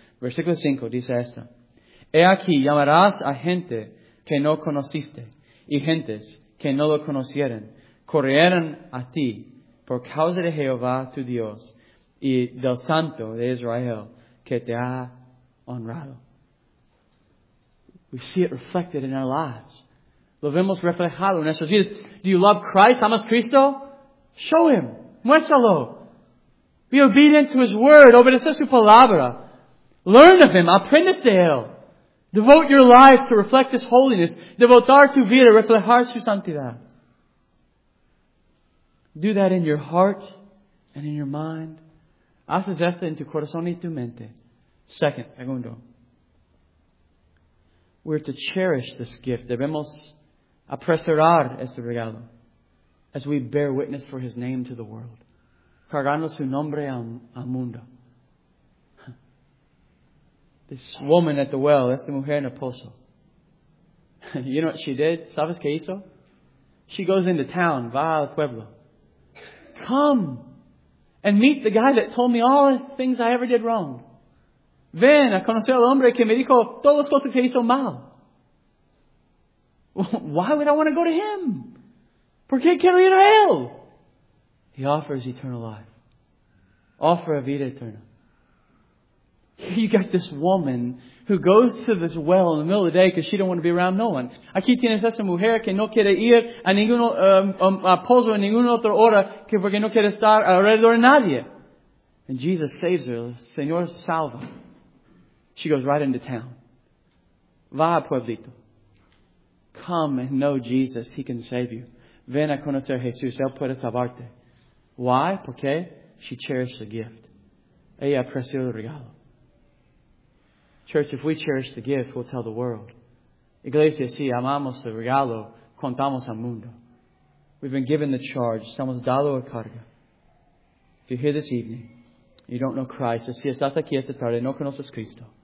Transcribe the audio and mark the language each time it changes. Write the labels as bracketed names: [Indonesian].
[Spanish] Versículo 5 dice esto. He aquí, llamarás a gente que no conociste, y gentes que no lo conocieron, corrieron a ti por causa de Jehová tu Dios y del Santo de Israel que te ha honrado. [English] We see it reflected in our lives. [Spanish] Lo vemos reflejado en nuestros vidas. [English] Do you love Christ? [Spanish] ¿Amas Cristo? [English] Show Him. [Spanish] Muéstralo. [English] Be obedient to His Word. [Spanish] Obedecer su palabra. [English] Learn of Him. [Spanish] Aprende de Él. [English] Devote your life to reflect His holiness. [Spanish] Devotar tu vida, reflejar su santidad. [English] Do that in your heart and in your mind. [Spanish] Haces esto en tu corazón y tu mente. Segundo. [English] We're to cherish this gift. [Spanish] Debemos apresurar este regalo. [English] As we bear witness for His name to the world. [Spanish] Cargando su nombre al mundo. [English] This woman at the well, [Spanish] esta mujer en el pozo. [English] You know what she did? [Spanish] ¿Sabes qué hizo? [English] She goes into town, [Spanish] va al pueblo. [English] Come and meet the guy that told me all the things I ever did wrong. [Spanish] Ven a conocer al hombre que me dijo todas las cosas que hizo mal. [English] Why would I want to go to him? [Spanish] ¿Por qué quiero ir a él? [English] He offers eternal life. Offer a [Spanish] vida eterna. [English] Here you got this woman who goes to this well in the middle of the day because she don't want to be around no one. [Spanish] Aquí tienes esa mujer que no quiere ir a ningún pozo en ninguna otra hora que porque no quiere estar alrededor de nadie. [English] And Jesus saves her. [Spanish] Señor salva. [English] She goes right into town. [Spanish] Va a pueblito. [English] Come and know Jesus. He can save you. [Spanish] Ven a conocer Jesús. Él puede salvarte. [English] Why? [Spanish] Porque [English] she cherished the gift. [Spanish] Ella apreció el regalo. [English] Church, if we cherish the gift, we'll tell the world. [Spanish] Iglesia, si amamos el regalo, contamos al mundo. [English] We've been given the charge. [Spanish] Estamos dado a carga. [English] If you're here this evening, you don't know Christ. [Spanish] Si estás aquí esta tarde, no conoces Cristo.